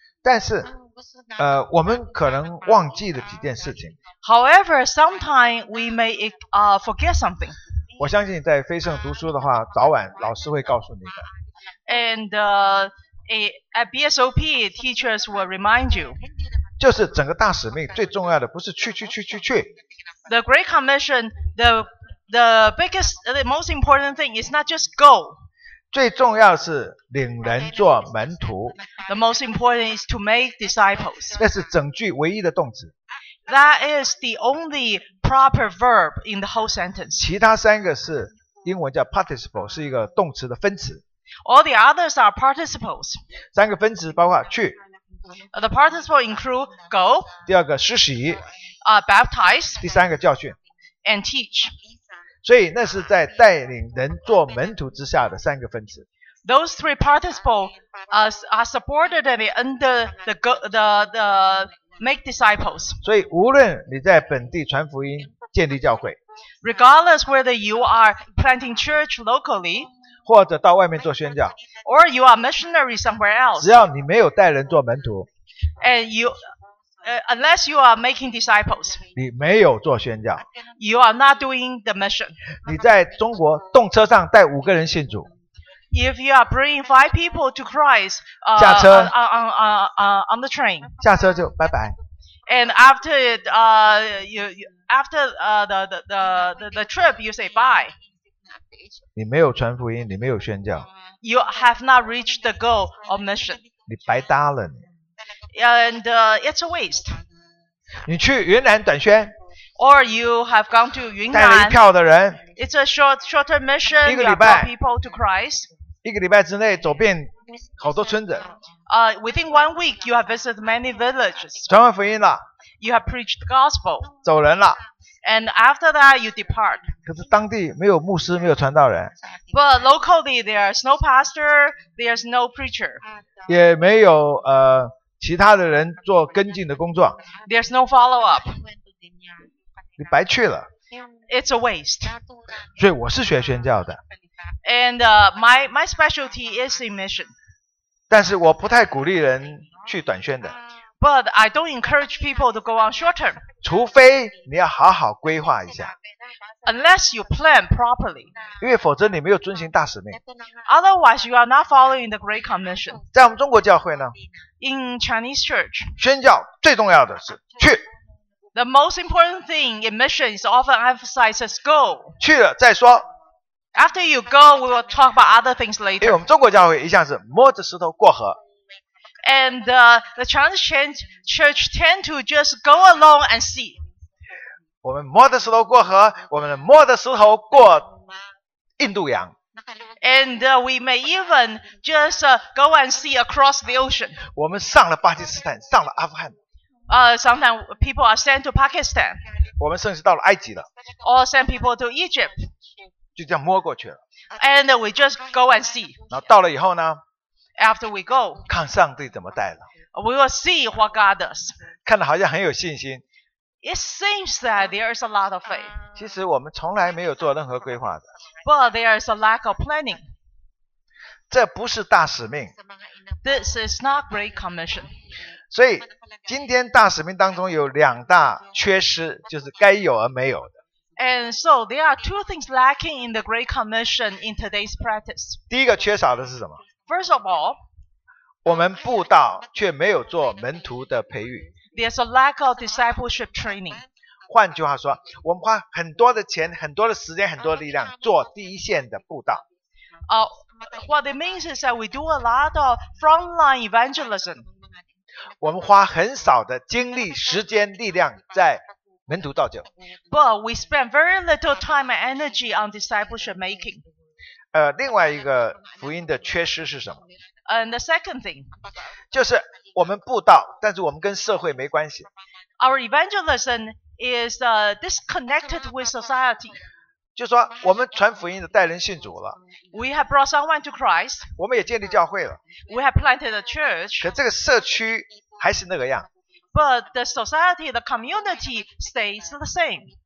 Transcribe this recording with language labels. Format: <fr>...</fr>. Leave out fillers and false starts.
<zh>但是，我们可能忘记了几件事情。</zh> <en>However, sometimes we may forget something。</en> <zh>我相信在飞盛读书的话，早晚老师会告诉你的。</zh> <en>And at BSOP, teachers will remind you。</en> <zh>就是整个大使命最重要的不是去。</zh> <en>The Great Commission, the biggest, the most important thing is not just go.</en> <zh>最重要是领人做门徒。</zh> <en>The most important is to make disciples.</en> <zh>那是整句唯一的动词。</zh> <en>That is the only proper verb in the whole sentence.</en> <zh>其他三个是英文叫 participle, 是一个动词的分词。</zh> <en>All the others are participles.</en> <zh>三个分词包括去。</zh> <en>The participle include go.</en> <zh>第二个施洗。</zh> <en>Baptize,</en> <zh>第三个教训</zh> <en>and teach.</en> <zh>所以那是在带领人做门徒之下的三个分词。</zh> <en>Those three participles are supported under the make disciples.</en> <zh>所以无论你在本地传福音建立教会</zh> <en>regardless whether you are planting church locally,</en> <zh>或者到外面做宣教</zh> <en>or you are missionary somewhere else,</en> <zh>只要你没有带人做门徒</zh> <en>and youUnless you are making disciples,</en> <zh>你没有做宣教。</zh> <en>You are not doing the mission.</en> <zh>你在中国动车上带五个人信主。</zh> <en>If you are bringing five people to Christ,</en> <zh>下车</zh> <en>on the train.</en> <zh>下车就拜拜。</zh> <en>And after it, the trip, you say bye.</en> <zh>你没有传福音，你没有宣教。</zh> <en>You have not reached the goal of mission.</en> <zh>你白搭了你。</zh> <en>And it's a waste.</en> <zh>你去云南短宣</zh> <en>or you have gone to 云南</en> <zh>带了一票的人</zh> <en>it's a shorter mission.</en> <zh>一个礼拜</zh> <en>people to Christ.</en> <zh>一个礼拜之内走遍好多村子。</zh> <en>Within one week, you have visited many villages.</en> <zh>传完福音了。</zh> <en>You have preached the gospel.</en> <zh>走人了。</zh> <en>And after that, you depart.</en> <zh>可是当地没有牧师，没有传道人。</zh> <en>But locally, there is no pastor, there is no preacher.</en> <zh>也没有其他的人做跟进的工作。</zh> <en>There's no follow-up.</en> <zh>你白去了。</zh> <en>It's a waste.</en> <zh>所以我是学宣教的。</zh> <en>And my specialty is in mission.</en> <zh>但是我不太鼓励人去短宣的。</zh> <en>But I don't encourage people to go on short term.</en> <zh>除非你要好好规划一下。</zh> <en>Unless you plan properly.</en> <zh>因为否则你没有遵循大使命。</zh> <en>Otherwise, you are not following the Great Commission.</en> <zh>在我们中国教会呢？</zh> <en>In Chinese church,</en> <zh>宣教最重要的是去。</zh> <en>The most important thing in mission is often emphasized as go.</en> <zh>去了再说。</zh> <en>After you go, we will talk about other things later.</en> <zh>因为我们中国教会一向是摸着石头过河。</zh> <en>And the Chinese church tend to just go along and see.</en> <zh>我们摸着石头过河，我们摸着石头过印度洋。</zh> <en>And we may even just go and see across the ocean.</en> <zh>我们上了巴基斯坦，上了阿富汗。</zh> <en>Sometimes people are sent to Pakistan.</en> <zh>我们甚至到了埃及了。</zh> <en>Or send people to Egypt.</en> <zh>就这样摸过去了。</zh> <en>And we just go and see.</en> <zh>然后到了以后呢？</zh> <en>After we go.</en> <zh>看上帝怎么带了。</zh> <en>We will see what God does.</en> <zh>看得好像很有信心。</zh> <en>It seems that there is a lot of faith.</en> <zh>其实我们从来没有做任何规划的。</zh> <en>But there is a lack of planning.</en> <zh>这不是大使命。</zh> <en>This is not great commission.</en> <zh>所以今天大使命当中有两大缺失，就是该有而没有的。</zh> <en>And so there are two things lacking in the great commission in today's practice.</en> <zh>第一个缺少的是什么？</zh> <en>First of all,</en> <zh>我们布道却没有做门徒的培育。</zh> <en>There's a lack of discipleship training.</en> <zh>换句话说，我们花很多的钱、很多的时间、很多力量做第一线的布道。</zh> <en>What it means is that we do a lot of frontline evangelism.</en> <zh>我们花很少的精力、时间、力量在门徒造就。</zh> <en>But we spend very little time and energy on discipleship making.</en> <zh>另外一个福音的缺失是什么？</zh> <en>And the second thing.</en> <zh>就是我们布道，但是我们跟社会没关系。</zh> <en>Our evangelism is disconnected with society.</en> <zh>就说我们传福音的带人信主了。</zh> <en>We have brought someone to Christ.</en> <zh>我们也建立教会了。</zh> <en>We have planted a church.</en> <zh>可这个社区还是那个样。</zh> <en>But the society, the community stays the same.</en>